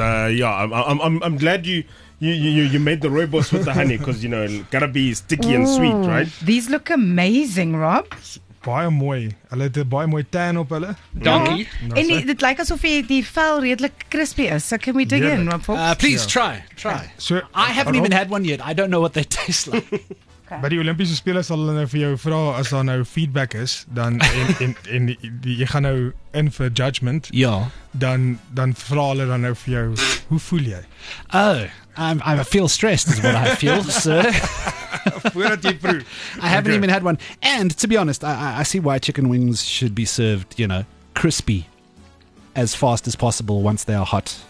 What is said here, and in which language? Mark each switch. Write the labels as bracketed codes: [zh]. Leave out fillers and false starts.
[en] I'm glad you made the rooibos with the honey, because you know it gotta be sticky and sweet, right? These look amazing, Rob. [af] Baie mooi. Hulle het baie mooi tan op hulle. [en] Donkey. [af] En dit lyk asof die vel redelik crispy is. [en] So can we dig in, [af] Rob? [en] Please try. So, I haven't even had one yet. I don't know what they taste like. Okay. [af] By die Olympiese spelers sal hulle nou vir jou vra as daar nou feedback is, dan en jy gaan nou in vir judgment. Ja. Dan vra hulle dan nou vir jou, hoe voel jy? [en] Oh, I feel stressed is what I feel, sir. [af] Voordat jy proef. [en] I haven't even had one. And to be honest, I see why chicken wings should be served, you know, crispy as fast as possible once they are hot.